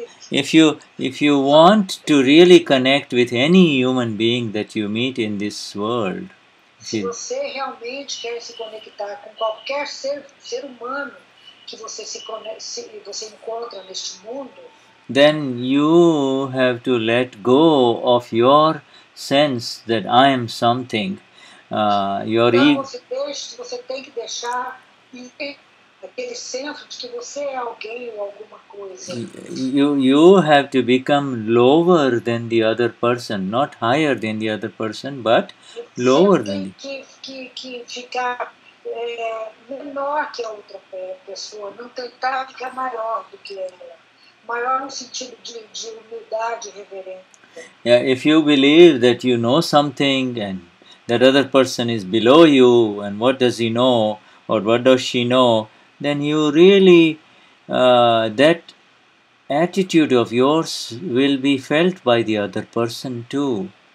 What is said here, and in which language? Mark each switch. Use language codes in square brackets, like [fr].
[en] If you want to really connect with any human being that you meet in this world, [pt] se você realmente quer se conectar com qualquer ser humano que você você encontra neste mundo, [en] then you have to let go of your sense that I am something. Your ego. [pt] Você tem que deixar aquele senso de que você é alguém ou alguma coisa. [en] You have to become lower than the other person, not higher than the other person, but lower than. [pt] Você tem que ficar menor que a outra pessoa, não tem tanto que é maior do que ela. Maior no sentido de humildade e reverência. [en] Yeah, if you believe that you know something and that other person is below you, and what does he know or what does she know, then you really, that attitude of yours will be felt by the other person too.